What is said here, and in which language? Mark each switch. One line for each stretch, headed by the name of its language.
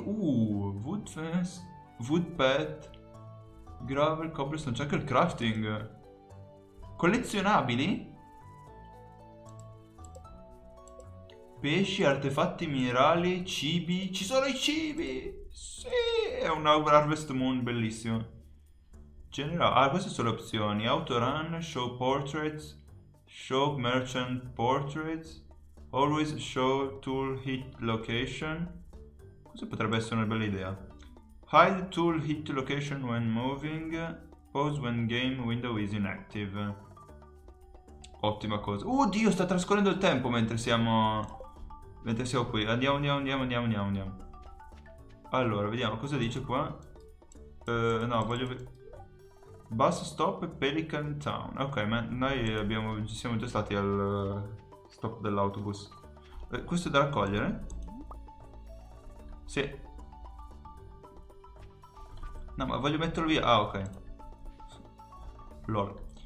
English: Woodfence? Woodpath? Gravel, cobblestone,
Italian: c'è anche il
English: crafting.
Italian: Collezionabili? Pesci, artefatti, minerali, cibi. Ci sono i cibi! Sì, è un Harvest Moon bellissimo. General, ah, queste sono le opzioni.
English: Autorun, show portraits, show merchant portraits, always show tool hit location.
Italian: Questa potrebbe essere una bella idea.
English: Hide tool hit location when moving. Pause when game window is inactive.
Italian: Ottima cosa. Oddio, sta trascorrendo il tempo mentre siamo qui. Andiamo, andiamo, andiamo, andiamo, andiamo. Allora, vediamo cosa dice qua. No, voglio Bus stop Pelican Town. Ok, ma noi abbiamo ci siamo già stati al stop dell'autobus. Questo è da raccogliere? Sì. No, ma voglio metterlo via. Ah, ok. Lol.